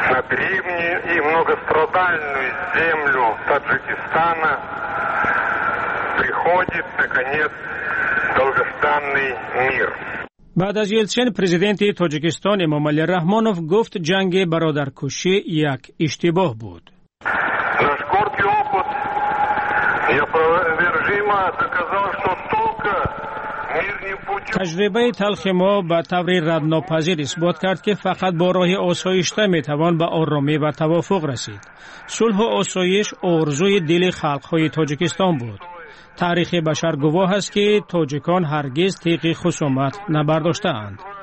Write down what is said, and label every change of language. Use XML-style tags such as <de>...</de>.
<ru>древнюю и многострадальную землю Таджикистана приходит наконец долгожданный мир.</ru> <fa>بعد از یلتسین پرزیدنت تاجیکستان امام علی رحمانوف گفت جنگ برادرکشی یک اشتباه بود.</fa> <ru>Наш горький опыт неопровержимо доказал, что только</ru> <fa>تجربه تلخ ما به طور ردناپذیر اثبات کرد که فقط با راه آسایشته می توان به آرامی و توافق رسید. صلح و آسایش آرزوی دل خلق‌های تاجیکستان بود. تاریخ بشر گواه است که تاجیکان هرگز تیغ خصومت نبرداشته‌اند.</fa>